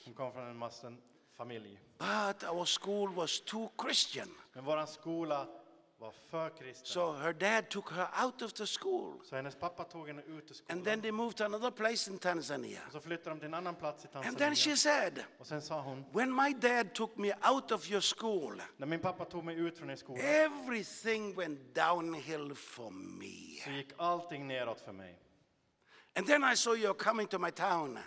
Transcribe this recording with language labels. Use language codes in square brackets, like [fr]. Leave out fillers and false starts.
[sv] Hon kom från en muslim familj. [en] But our school was too Christian. [sv] Men våran skola var för kristen. [en] So her dad took her out of the school. [sv] Så hennes pappa tog henne ut ur skolan. [en] And then they moved to another place in Tanzania. [sv] Så flyttade de till en annan plats i Tanzania. [en] And then she said. [sv] Och sen sa hon. [en] When my dad took me out of your school. [sv] När min pappa tog mig ut från er skola. [en] Everything went downhill for me. [sv] Så gick allting neråt för mig. [en] And then I saw you coming to my town.